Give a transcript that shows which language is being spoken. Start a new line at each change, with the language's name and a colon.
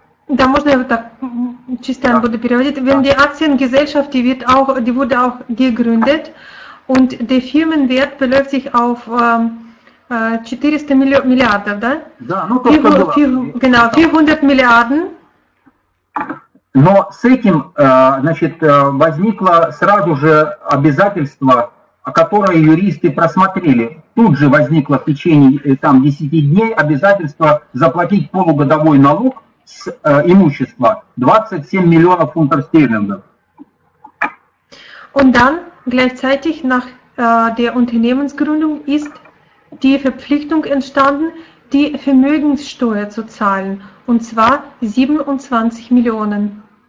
Russian: Да, можно я вот так частями буду переводить?
German: Wenn die Aktiengesellschaft, die wurde auch gegründet und der Firmenwert beläuft sich auf 400
Russian: миллиардов, да? Да, ну только было.
German: Genau, 400
Russian: миллиардов. Но с этим, значит, возникло сразу же обязательство, которое юристы просмотрели. Тут же возникло в течение там 10 дней обязательство заплатить полугодовой налог с имущества 27 миллионов фунтов стерлингов.
German: Und dann gleichzeitig nach der Unternehmensgründung ist die Verpflichtung entstanden, die Vermögenssteuer zu zahlen, und zwar 27 Millionen.